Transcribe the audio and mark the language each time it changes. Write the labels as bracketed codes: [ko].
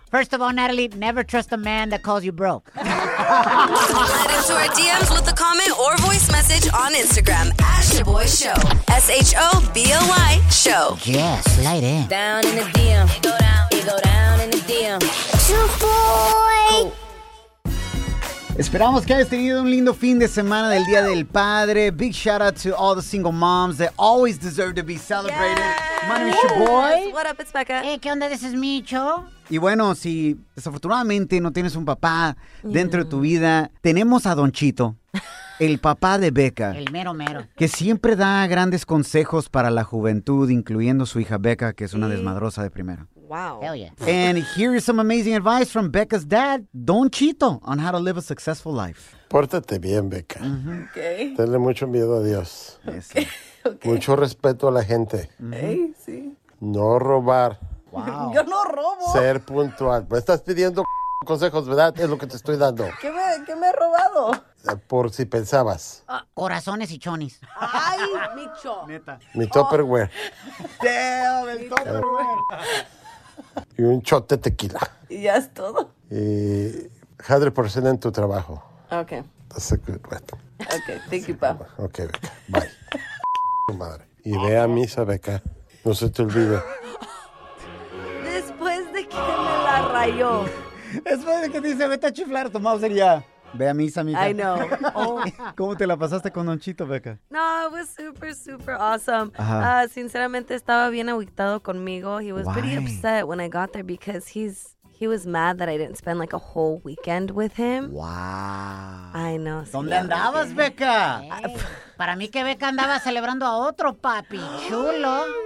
[en] First of all, Natalie, never trust a man that calls you bro. Slide into our DMs with a comment or voice message on Instagram. @ShaboyShow. S-H-O-B-O-Y show. Yeah, slide in. Down in the DM. It go down in the DM. Shaboy. [es] Esperamos que hayas tenido un lindo fin de semana del Día del Padre. [en] Big shout out to all the single moms that always deserve to be celebrated. Yes. My name is your boy. What up, it's Becca. Hey, [es] ¿qué onda? [en] This is Micho. [es] Y bueno, si desafortunadamente no tienes un papá dentro de tu vida, tenemos a Don Chito, el papá de Becca. El mero mero. Que siempre da grandes consejos para la juventud, incluyendo su hija Becca, que es una desmadrosa de primera. [en] Wow. Hell yeah. And here is some amazing advice from Becca's dad, Don Chito, on how to live a successful life. [es] Pórtate bien, Becca. [en] Mm-hmm. Okay. [es] Tenle mucho miedo a Dios. [en] Yes. Okay. [es] Mucho respeto a la gente. Mm-hmm. Hey, sí. No robar. Wow. Yo no robo. Ser puntual. Me estás pidiendo consejos, ¿verdad? Es lo que te estoy dando. ¿Qué me he robado? Por si pensabas. Corazones y chonis. Ay, Micho. Neta. Mi Tupperware. [en] Damn, [es] el Tupperware. Y un shot de tequila. ¿Y ya es todo? Y 100% en tu trabajo. [en] Ok. That's a good one. Ok, thank you, pa. [es] Ok, Becca. Bye. Madre. Y ve a misa, Becca. No se te olvide. Después de que me la rayó. Después de que dice, vete a chiflar, tomamos el ya. Ve a misa, mija. [en] I know. [es] ¿Cómo te la pasaste con Don Chito, Becca? [en] No, it was super, super awesome. [es] Sinceramente, estaba bien agüitado conmigo. [en] He was pretty upset when I got there because he was mad that I didn't spend like a whole weekend with him. Wow. I know. [es] Sí, ¿dónde andabas, Becca? [en] Hey. [es] Para mí que Becca andaba celebrando a otro papi chulo.